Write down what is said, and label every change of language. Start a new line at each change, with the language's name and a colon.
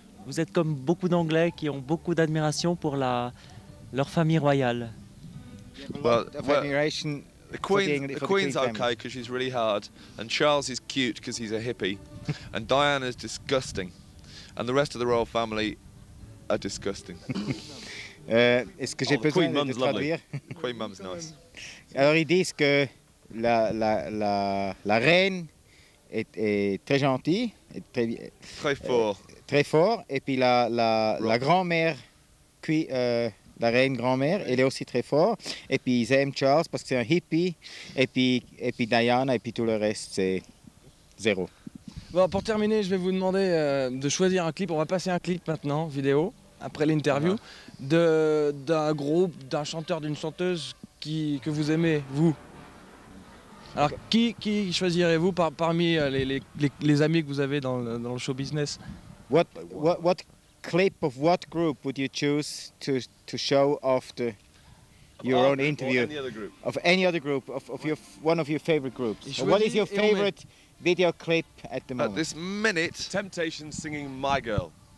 French: Vous êtes comme beaucoup d'Anglais qui ont beaucoup d'admiration pour la. Leur famille royale.
English: Well, admiration. The Queen's okay because she's really hard, and Charles is cute because he's a hippie, and Diana is disgusting, and the rest of the royal family are disgusting.
French: Est-ce que j'ai besoin de traduire?
English: Queen Mum's nice.
French: Alors ils disent que la reine est très gentille, est très fort. Très fort. Et puis la grand-mère cuit. La reine grand-mère, elle est aussi très forte. Et puis ils aiment Charles parce que c'est un hippie. Et puis Diana et puis tout le reste, c'est zéro. Bon, pour terminer, je vais vous demander de choisir un clip. On va passer un clip maintenant, vidéo. après l'interview, d'un groupe, d'un chanteur, d'une chanteuse que vous aimez, vous. Alors, qui choisirez-vous parmi les amis que vous avez dans le show business?
English: What clip of what group would you choose to show after your own interview? Any other group. Of any other group, one of your favorite groups. What is your favorite video clip at the moment? At this minute, Temptation singing My Girl.